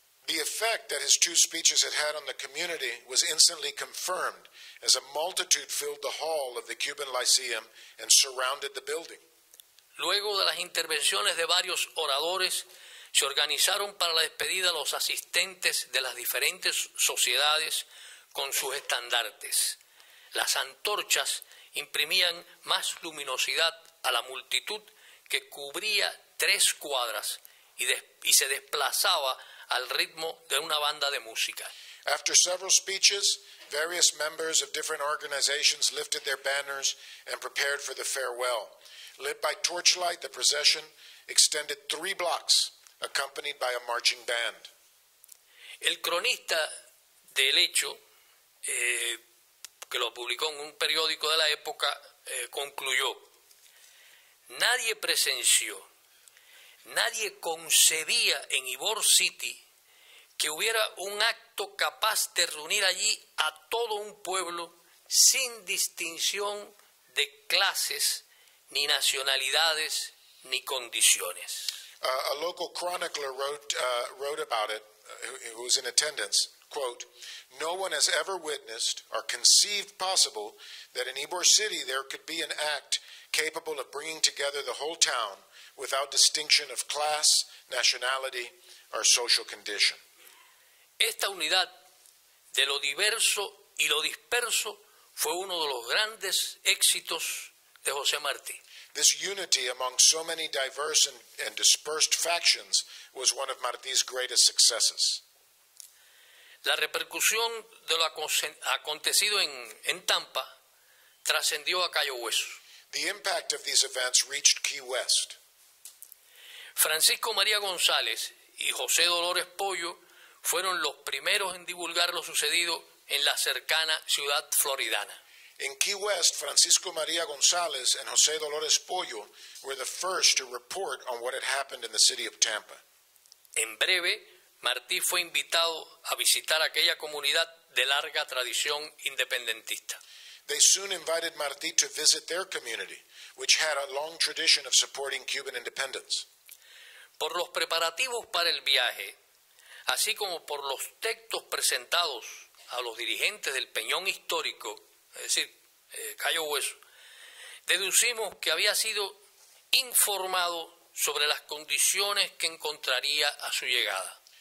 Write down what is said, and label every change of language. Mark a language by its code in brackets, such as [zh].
[en] The effect that his two speeches had had on the community was instantly confirmed as a multitude filled the hall of the Cuban Lyceum and surrounded the building. [es] Luego de las intervenciones de varios oradores, se organizaron para la despedida los asistentes de las diferentes sociedades con sus estandartes. Las antorchas imprimían más luminosidad a la multitud que cubría tres cuadras y se desplazaba al ritmo de una banda de música. [en] After several speeches, various members of different organizations lifted their banners and prepared for the farewell. Lit by torchlight, the procession extended three blocks, accompanied by a marching band. [es] El cronista del hecho, que lo publicó en un periódico de la época, concluyó: nadie presenció, nadie concebía en Ybor City que hubiera un acto capaz de reunir allí a todo un pueblo sin distinción de clases, ni nacionalidades, ni condiciones. [en] A local chronicler wrote about it, who was in attendance. quote, "No one has ever witnessed or conceived possible that in Ybor City there could be an act capable of bringing together the whole town without distinction of class, nationality, or social condition." [es] Esta unidad de lo diverso y lo disperso fue uno de los grandes éxitos de José Martí. [en] This unity among so many diverse and dispersed factions was one of Martí's greatest successes. [es] La repercusión de lo acontecido en Tampa trascendió a Cayo Hueso. [en] The impact of these events reached Key West. [es] Francisco María González y José Dolores Pollo fueron los primeros en divulgar lo sucedido en la cercana ciudad floridana. [en] In Key West, Francisco María González and José Dolores Pollo were the first to report on what had happened in the city of Tampa. [es] En breve, Martí fue invitado a visitar aquella comunidad de larga tradición independentista. [en] They soon invited Martí to visit their community, which had a long tradition of supporting Cuban independence. [es] Por los preparativos para el viaje, así como por los textos presentados a los dirigentes del Peñón Histórico, es decir, Cayo Hueso, deducimos que había sido informado sobre las condiciones que encontraría a su llegada.